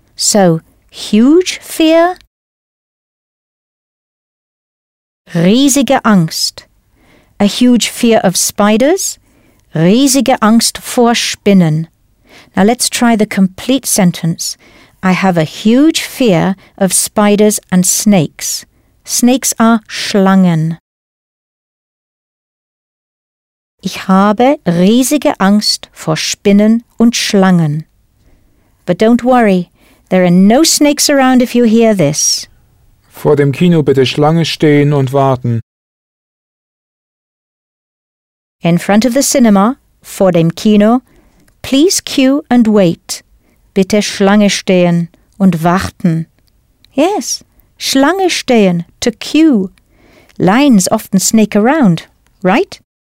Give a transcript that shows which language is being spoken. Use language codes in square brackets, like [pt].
[en] So, huge fear, [de] riesige Angst. [en] A huge fear of spiders, [de] riesige Angst vor Spinnen. [en] Now let's try the complete sentence. I have a huge fear of spiders and snakes. Snakes are Schlangen. [de] Ich habe riesige Angst vor Spinnen und Schlangen. [en] But don't worry, there are no snakes around if you hear this. [de] Vor dem Kino bitte Schlange stehen und warten. [en] In front of the cinema, [de] vor dem Kino, [en] please queue and wait. [de] Bitte Schlange stehen und warten. [en] Yes, [de] Schlange stehen, [en] to queue. Lines often snake around, right?